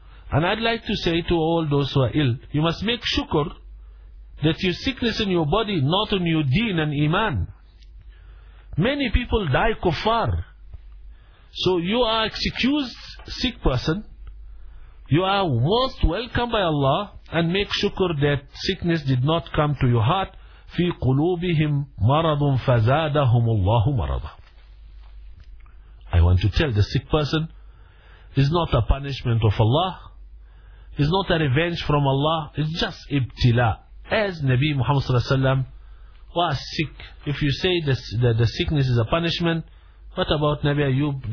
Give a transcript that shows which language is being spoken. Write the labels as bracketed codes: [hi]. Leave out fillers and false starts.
[en] And I'd like to say to all those who are ill, you must make shukr that your sickness in your body, not in your deen and iman. Many people die kuffar. So you are excused, sick person. You are most welcome by Allah and make shukr that sickness did not come to your heart. [ar] في قلوبهم مرض فزادهم الله مرضا. [en] I want to tell the sick person, it's not a punishment of Allah. It's not a revenge from Allah. It's just ibtila. As Nabi Muhammad sallallahu alaihi wasallam was sick. If you say the sickness is a punishment, what about Nabi Ayyub?